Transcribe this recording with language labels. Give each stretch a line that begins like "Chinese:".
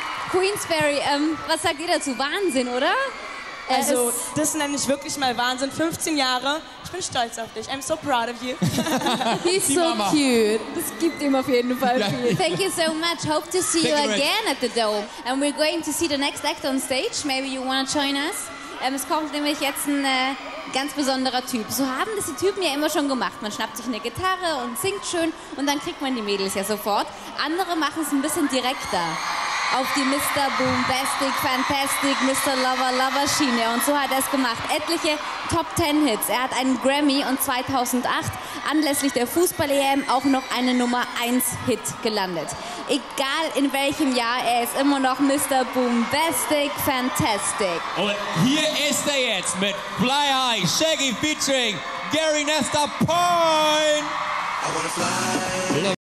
German: Queensberry, was sagt ihr dazu? Wahnsinn, oder? Also, das nenne ich wirklich mal Wahnsinn. 15 Jahre, ich bin stolz auf dich.
English: I'm so proud of you. He's so cute.
German: Das gibt ihm auf jeden Fall viel.
English: Thank you so much. Hope to see you again at the Dome. And we're going to see the next act on stage. Maybe you want to join us.
German: Es kommt nämlich jetzt ein ganz besonderer Typ. So haben das die Typen ja immer schon gemacht. Man schnappt sich eine Gitarre und singt schön und dann kriegt man die Mädels ja sofort. Andere machen es ein bisschen direkter. Auf die Mr. Boombastic, Fantastic, Mr. Lover, Lover Schiene. Und so hat er es gemacht. Etliche Top 10 Hits. Er hat einen Grammy und 2008 anlässlich der Fußball-EM auch noch eine Nummer 1 Hit gelandet. Egal in welchem Jahr, er ist immer noch Mr. Boombastic, Fantastic. Und hier ist er jetzt mit Fly High, Shaggy featuring Gary Nesta Point.
English: I wanna fly.